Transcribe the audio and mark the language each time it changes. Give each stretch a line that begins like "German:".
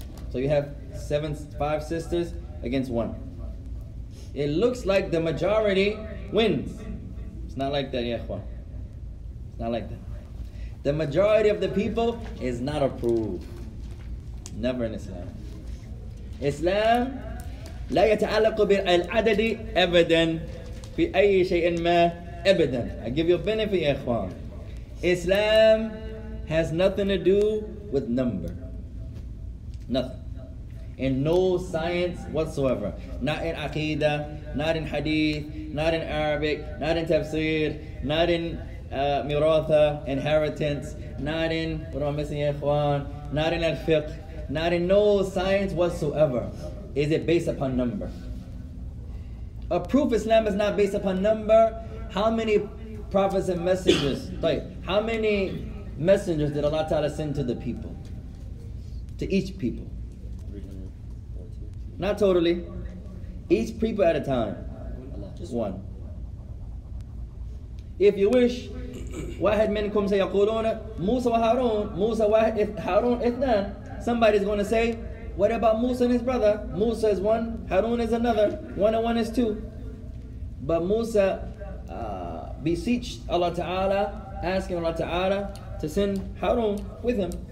English: So you have five sisters against one. It looks like the majority wins. It's not like that, ya ikhwan. It's not like that. The majority of the people is not approved. Never in Islam.
Arabic: Islam, لا يتعلق بالعدد أبدا في أي شيء ما أبدا.
English: I give you a benefit, يا إخوان. Islam has nothing to do with number. Nothing. In no science whatsoever. Not in Aqidah, not in Hadith, not in Arabic, not in Tafsir, not in Miratha, inheritance, not in, what am I missing, يا إخوان? Not in Al-Fiqh, not in no science whatsoever. is it based upon number? A proof of Islam is not based upon number. How many prophets and messengers? How many messengers did Allah Ta'ala send to the people? To each people? Not totally. Each people at a time. One.
Arabic: If you wish, واحد منكم سيقولون موسى وهارون موسى وهارون اثنان.
English: Somebody's going to say, what about Musa and his brother? Musa is one, Harun is another, one and one is two. But Musa beseeched Allah Ta'ala, asking Allah Ta'ala to send Harun with him.